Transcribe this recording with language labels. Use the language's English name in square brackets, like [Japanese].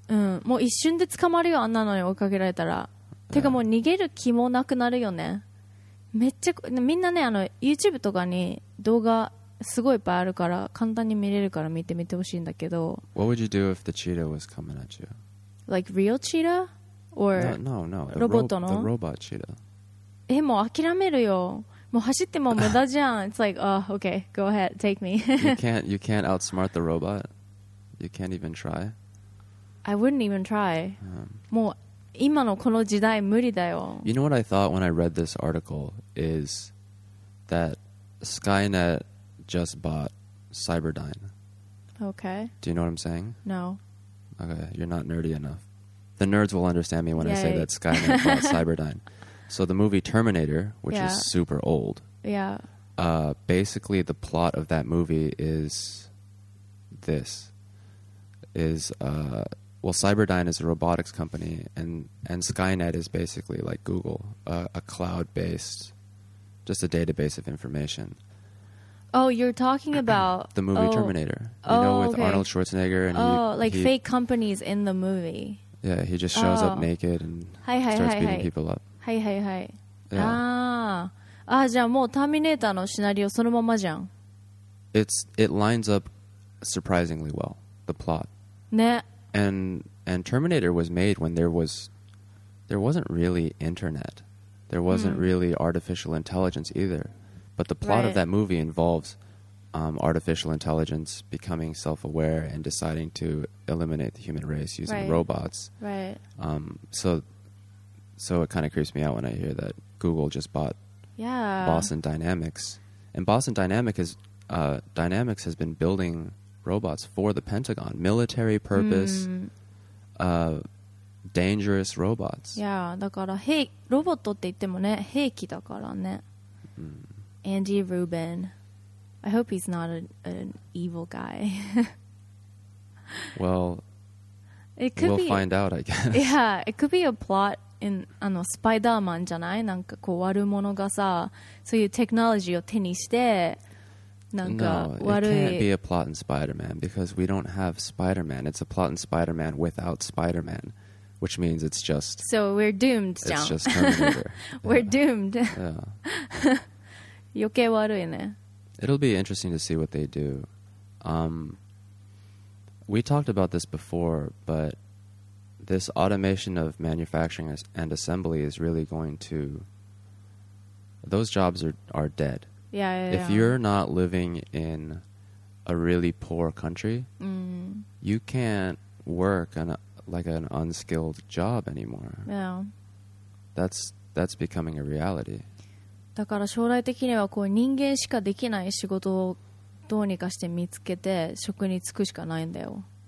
[Japanese] うん、もう一瞬で捕まるよあんなのに追いかけられたら。てかもう逃げる気もなくなるよね。めっちゃみんなね、あの YouTube とかに動画すごいいっぱいあるから簡単に見れるから見てみてほしいんだけど。 [English] What would you do if the cheetah was coming at you? Like real cheetah? Or no. [Japanese] ロボットの [English] the robot cheetah. [Japanese] もう諦めるよ。もう走っても無駄じゃん。 [English] It's like, okay, go ahead, take me. you can't outsmart the robot? You can't even try? I wouldn't even try. [Japanese] もう今のこの時代無理だよ。 [English] You know what I thought when I read this article is that Skynet just bought Cyberdyne. Okay. Do you know what I'm saying? No. Okay, you're not nerdy enough. The nerds will understand me when I say that Skynet bought Cyberdyne. So the movie Terminator, which is super old. Yeah. Basically, the plot of that movie is this. Well, Cyberdyne is a robotics company, and Skynet is basically like Google, a cloud-based, just a database of information. Oh, you're talking about... the movie Terminator. You know, with Arnold Schwarzenegger. And he fake companies in the movie. Yeah, he just shows up naked and starts beating people up. Hi, hi, hi. [Japanese] Ah, じゃあもうターミネーターのシナリオそのままじゃん。 [English] It lines up surprisingly well, the plot. [Japanese] ね。 [English] And Terminator was made when there wasn't really internet. There wasn't really artificial intelligence either. But the plot of that movie involves artificial intelligence becoming self-aware and deciding to eliminate the human race using robots. Right. So it kind of creeps me out when I hear that Google just bought Boston Dynamics. And Boston Dynamics has been building robots for the Pentagon. Military purpose, dangerous robots. [Japanese] Yeah, だから、ロボットって言ってもね、兵器だからね。 [English] Andy Rubin. I hope he's not an evil guy. Well, we'll find out, I guess. Yeah, it could be a plot in [Japanese] あのスパイダーマンじゃない? なんかこう悪者がさ、そういうテクノロジーを手にして、なんか悪い。 [English] No, it can't be a plot in Spider-Man because we don't have Spider-Man. It's a plot in Spider-Man without Spider-Man, which means it's just... So we're doomed, [Japanese] じゃん。 [English] It's just Terminator. Yeah. We're doomed. Yeah. [Japanese] 余計悪いね。 [English] It'll be interesting to see what they do. We talked about this before, but this automation of manufacturing and assembly is really going to... Those jobs are dead. Yeah. If you're not living in a really poor country, you can't work an unskilled job anymore. Yeah. That's becoming a reality. [Japanese] だから将来的にはこう人間しかできない仕事をどうにかして見つけて職に就くしかないんだよ。